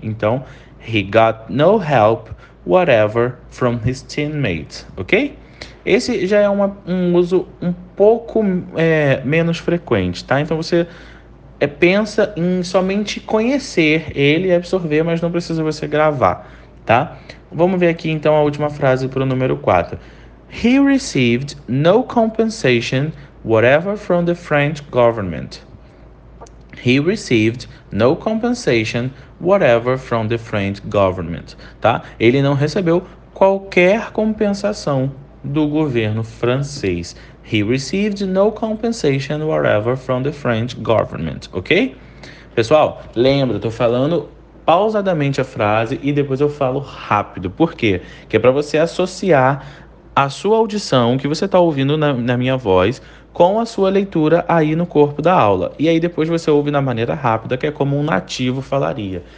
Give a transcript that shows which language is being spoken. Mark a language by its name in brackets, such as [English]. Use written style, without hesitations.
[English] Então, he got no help whatever from his teammates, ok? [Portuguese] Esse já é um uso um pouco menos frequente, tá? Então, você pensa em somente conhecer ele e absorver, mas não precisa você gravar, tá? Vamos ver aqui, então, a última frase para o número 4. [English] He received no compensation whatever from the French government. He received no compensation whatever from the French government. [Portuguese] Tá? Ele não recebeu qualquer compensação do governo francês. [English] He received no compensation whatever from the French government. Ok? [Portuguese] Pessoal, lembra, estou falando pausadamente a frase e depois eu falo rápido. Por quê? Que é para você associar a sua audição, que você está ouvindo na minha voz, com a sua leitura aí no corpo da aula. E aí depois você ouve na maneira rápida, que é como um nativo falaria.